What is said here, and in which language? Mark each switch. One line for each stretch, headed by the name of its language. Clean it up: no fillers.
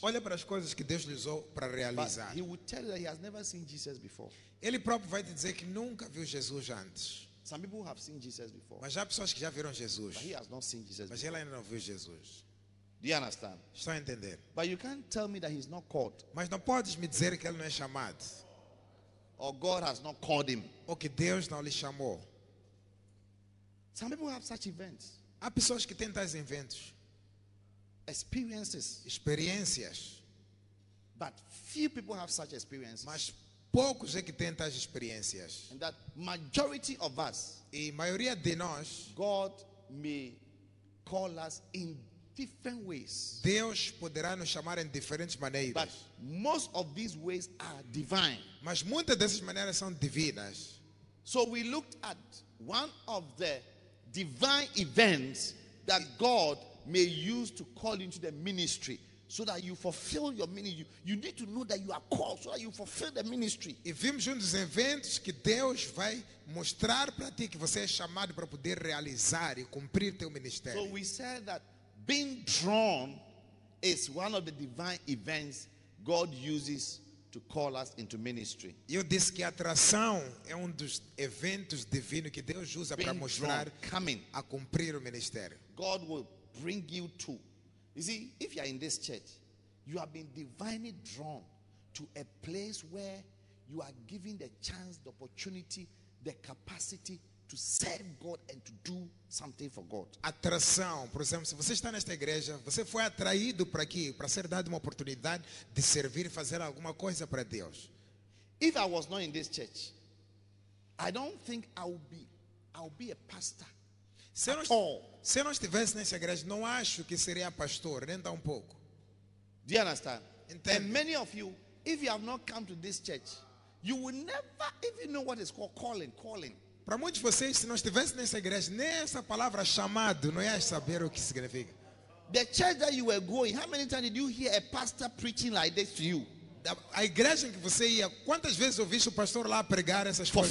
Portuguese: Olha para as coisas que Deus lhe usou para realizar.
English: But he would tell you that he has never seen Jesus before.
Portuguese: Ele próprio vai te dizer que nunca viu Jesus antes.
English: Some people have seen Jesus before.
Portuguese: Mas há pessoas que já viram Jesus.
English: But he has not seen Jesus.
Portuguese: Mas ele ainda não viu Jesus.
English: Do you understand?
Portuguese: Estou a entender.
English: But you can't tell me that he's not called.
Portuguese: Mas não podes me dizer que ele não é chamado.
English: Or God has not called him.
Portuguese: Ou que Deus não lhe chamou.
English: Some people have such events.
Portuguese: Há pessoas que têm tais eventos.
English: Experiences.
Portuguese: Experiências.
English: But few people have such experiences.
Portuguese: Mas poucos é que têm tais experiências.
English: And that majority of us.
Portuguese: E maioria de nós.
English: God may call us in different ways.
Portuguese: Deus poderá nos chamar em diferentes maneiras.
English: But most of these ways are divine.
Portuguese: Mas muitas dessas maneiras são divinas.
English: So we looked at one of the divine events that God may use to call into the ministry so that you fulfill your ministry. You need to know that you are called so that you fulfill the ministry.
Portuguese: E vimos um dos eventos que Deus vai mostrar para ti que você é chamado para poder realizar e cumprir teu ministério.
English: So we said that being drawn is one of the divine events God uses to call us into ministry.
Portuguese: Eu disse que a atração é um dos eventos divinos que Deus usa para mostrar
English: coming,
Portuguese: a cumprir o ministério.
English: God will bring you to. You see, if you are in this church, you have been divinely drawn to a place where you are given the chance, the opportunity, the capacity to serve God and to do something for God.
Portuguese: Atração, por exemplo, se você está nesta igreja, você foi atraído para aqui para ser dado uma oportunidade de servir e fazer alguma coisa para Deus.
English: If I was not in this church, I don't think I'll be a pastor.
Portuguese: Se eu não estivesse nessa igreja, não acho que seria pastor, nem dá um pouco.
English: Do you understand?
Portuguese: Entende?
English: And many of you, if you have not come to this church, you will never even know what is called calling.
Portuguese: Para muitos de vocês, se não estivesse nessa igreja, nessa palavra chamado, não ia saber o que significa.
English: The church that you were going, how many times did you hear a pastor preaching like this to you?
Portuguese: A igreja em que você ia, quantas vezes ouviste o pastor lá pregar essas coisas?